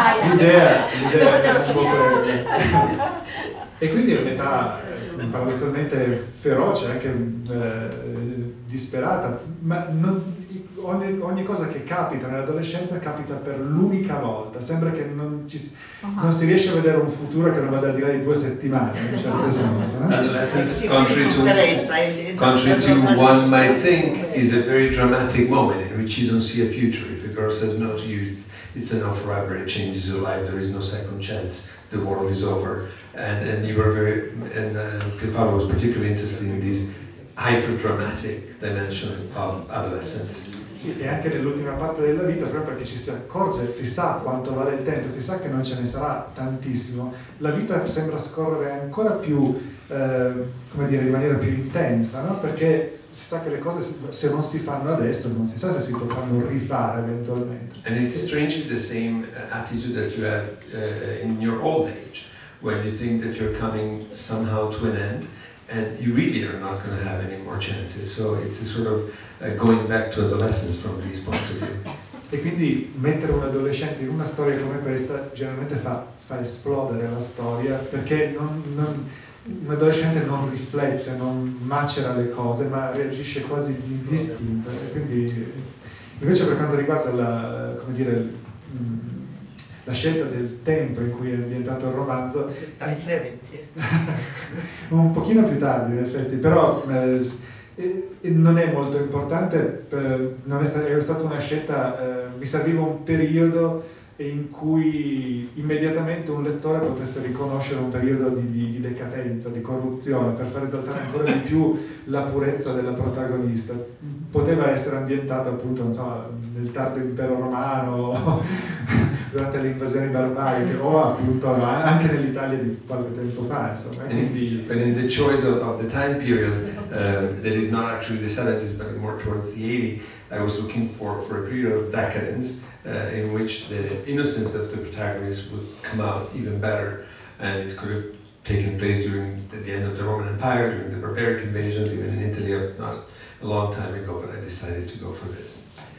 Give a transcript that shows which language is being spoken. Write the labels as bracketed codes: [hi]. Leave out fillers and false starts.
[it] l'idea che è e quindi è un'età paradossalmente feroce, anche disperata, ma non... Ogni cosa che capita nell'adolescenza capita per l'unica volta, sembra che non si riesce a vedere un futuro che non vada al di là di 2 settimane, in un certo senso. [en] Adolescence, contrary to one might think, is a very dramatic moment in which you don't see a future. If a girl says no to you, it's enough forever, it changes your life, there is no second chance, the world is over. Pippo was particularly interested in this hyper-dramatic dimension of adolescence. [it] Sì, e anche nell'ultima parte della vita, proprio perché ci si accorge, si sa quanto vale il tempo, si sa che non ce ne sarà tantissimo, la vita sembra scorrere ancora più, come dire, in maniera più intensa, no? Perché si sa che le cose, se non si fanno adesso, non si sa se si potranno rifare eventualmente. [en] And it's strangely the same attitude that you have in your old age, when you think that you're coming somehow to an end, and you really are not going to have any more chances. So it's a sort of going back to adolescence from this point of view. [it] E quindi mettere un adolescente in una storia come questa generalmente fa esplodere la storia, perché non un adolescente non riflette, non macera le cose, ma reagisce quasi distinto. E quindi invece per quanto riguarda la scelta del tempo in cui è ambientato il romanzo, ai 70. Un pochino più tardi, in effetti, però non è molto importante, è stata una scelta, mi serviva un periodo in cui immediatamente un lettore potesse riconoscere un periodo di decadenza, di corruzione, per far esaltare ancora di più la purezza della protagonista. Poteva essere ambientata appunto, non so, nel tardo impero romano, durante le invasioni barbariche, o appunto anche nell'Italia di qualche tempo fa, insomma. [en] But in the choice of the time period, that is not actually the 70s, but more towards the 80s, I was looking for a period of decadence in which the innocence of the protagonist would come out even better, and it could have taken place during the end of the Roman Empire, during the barbaric invasions, even in Italy of not a long time ago, but I decided to go for this.